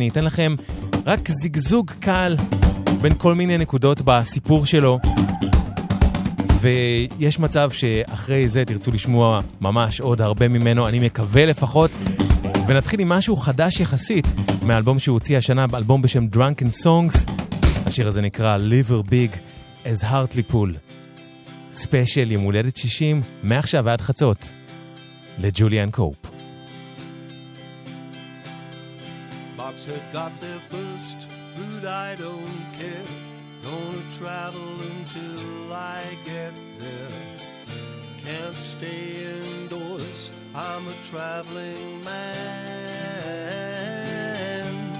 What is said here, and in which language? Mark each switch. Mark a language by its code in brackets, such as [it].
[he] אני אתן לכם רק זיגזוג קל בין כל מיני נקודות בסיפור שלו, ויש מצב שאחרי זה תרצו לשמוע ממש עוד הרבה ממנו, אני מקווה לפחות. ונתחיל עם משהו חדש יחסית מאלבום שהוא הוציא השנה, אלבום בשם Drunken Songs. השיר הזה נקרא Liver Big as Hartley Pool. ספשייל יום הולדת 60, מעכשיו ועד חצות, לג'וליאן קופ. [en] Boxhead got there first, but I don't care. Gonna travel until I get there. Can't stay indoors, I'm a traveling man.